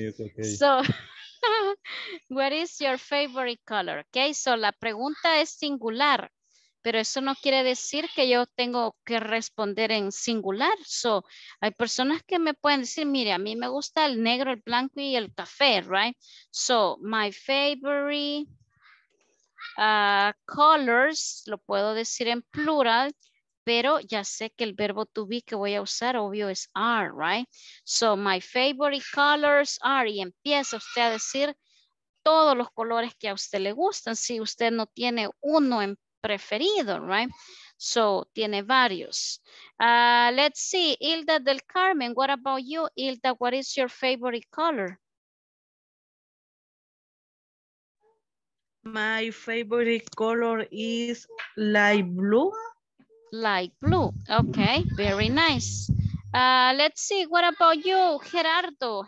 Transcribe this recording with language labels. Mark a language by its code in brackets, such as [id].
[en] Yes, okay. So what is your favorite color? [es] Okay, so la pregunta es singular. Pero eso no quiere decir que yo tengo que responder en singular. So, hay personas que me pueden decir, mire, a mí me gusta el negro, el blanco y el café, right? So, [en] my favorite colors, [es] lo puedo decir en plural, pero ya sé que el verbo to be que voy a usar, obvio, es are, right? So, [en] my favorite colors are, [es] y empieza usted a decir todos los colores que a usted le gustan. Si usted no tiene uno en preferido, right? So, tiene varios. [en] Let's see, Hilda del Carmen, what about you, Hilda? What is your favorite color? My favorite color is light blue. Light blue, okay, very nice. Let's see, what about you, Gerardo?